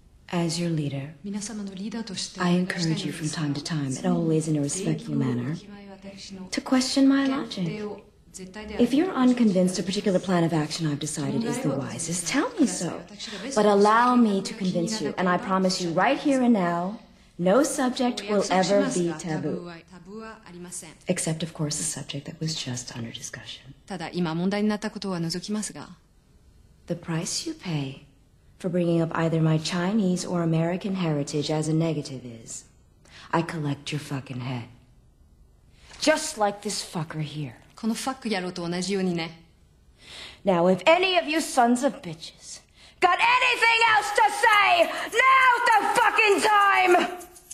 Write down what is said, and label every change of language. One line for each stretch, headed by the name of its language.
English: As your leader,
Japanese: 皆様のリーダーとして
English: I encourage you from time to time and always in a respectful manner to question my logic. If you're unconvinced a particular plan of action I've decided is the wisest, tell me so. But allow me to convince you, and I promise you right here and now, no subject will ever be taboo. Except, of course, the subject that was just under discussion. The price you pay for bringing up either my Chinese or American heritage as a negative is, I collect your fucking head. Just like this fucker here.
Japanese: このファックやろうと同じようにね。
English: Now, if any of you sons of bitches got anything else to say, now's the fucking time!